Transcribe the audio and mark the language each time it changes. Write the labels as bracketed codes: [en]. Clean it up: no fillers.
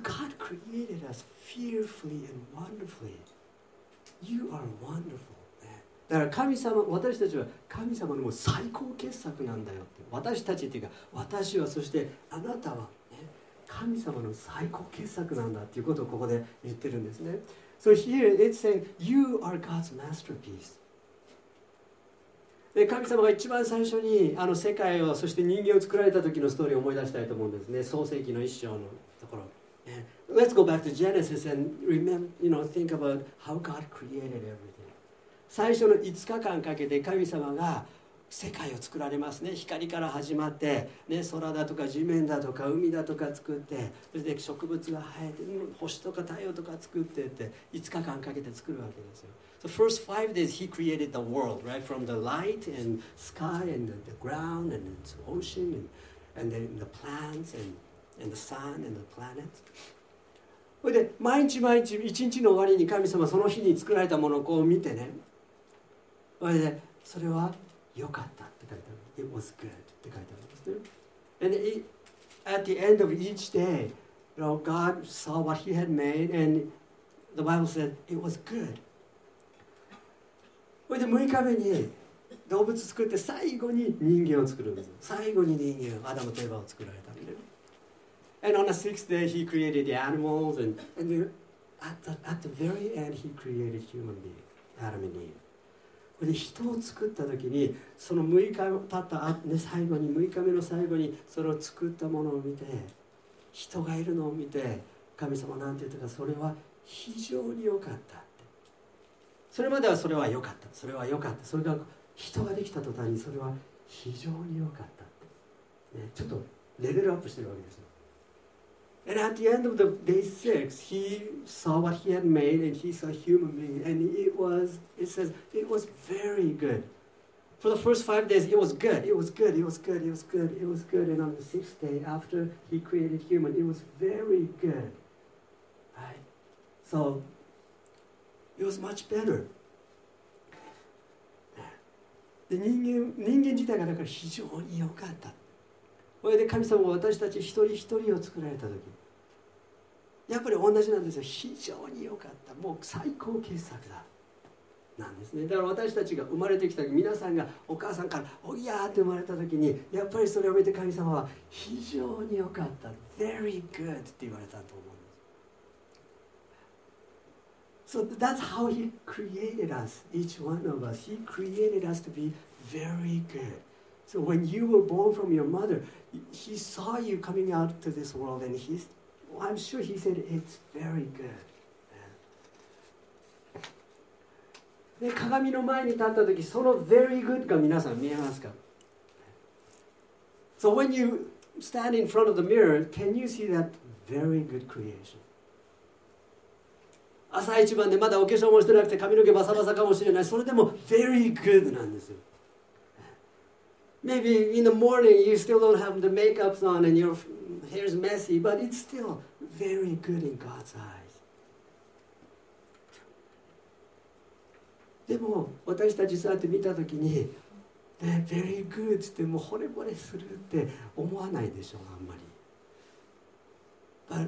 [en] So God created us fearfully and wonderfully. You are wonderful. [ja] だから神様、私たちは神様のもう最高傑作なんだよって。私たちっていうか、私はそしてあなたは、ね、神様の最高傑作なんだっていうことをここで言ってるんですね。 [en] So here it's saying, you are God's masterpiece. [ja] で神様が一番最初にあの世界を、そして人間を作られた時のストーリーを思い出したいと思うんですね。創世記の一章のところ。 [en] Let's go back to Genesis and remember, you know, think about how God created everything. [ja] 最初の5日間かけて神様が世界を作られますね。光から始まって、ね、空だとか地面だとか海だとか作って、それで植物が生えて、星とか太陽とか作ってって5日間かけて作るわけですよ。 [en] So first five days he created the world, right? From the light and sky and the ground and the ocean and then the plants and the sun and the planet. [ja] それで毎日毎日一日の終わりに神様その日に作られたものをこう見てね、それでそれは良かったって書いてある。 [en] It was good [ja] って書いてあるんですね。 [en] And at the end of each day, you know, God saw what he had made and the Bible said it was good. [ja] それで6日目に動物作って最後に人間を作るんです。最後に人間、アダムとエヴァを作られたんで。 [en] And on the sixth day, he created the animals, and at the very end, he created human beings, Adam and Eve. [ja] これで人を作った時に、その6日経った後、ね、最後に、6日目の最後に、それを作ったものを見て、人がいるのを見て、神様なんて言ったか、それは非常に良かったって。それまではそれは良かった、それは良かった。それが人ができた途端に、それは非常に良かったって、ね。ちょっとレベルアップしてるわけですよ。 [en] And at the end of the day six, he saw what he had made, and he saw human being, and it was, it says, it was very good. For the first five days, it was good, it was good, it was good, it was good, it was good, and on the sixth day, after he created human, it was very good. Right? So, it was much better. [ja] で、人間自体がだから非常に良かった。それで神様は私たち一人一人を作られた時、やっぱり同じなんですよ。非常に良かった、もう最高傑作だなんですね。だから私たちが生まれてきた時、皆さんがお母さんからおぎゃーって生まれた時に、やっぱりそれを見て神様は非常に良かった、 [en] very good [ja] って言われたと思うんです。 [en] So that's how he created us, each one of us. He created us to be very good. So when you were born from your mother, he saw you coming out to this world and he'sI'm sure he said it's very good. [ja] で、鏡の前に立ったとき、その [en] very good [ja] が皆さん見えますか？ [en] So when you stand in front of the mirror, can you see that very good creation? [ja] 朝一番でまだお化粧もしてなくて髪の毛バサバサかもしれない。それでも [en] very good [ja] なんですよ。 [en] Maybe in the morning you still don't have the makeup on and your hair's messy, but it's still very good in God's eyes. [ja] でも私たちそうやって見たときに、 [en] very good [ja] ってもう惚れ惚れするって思わないでしょう、あんまり。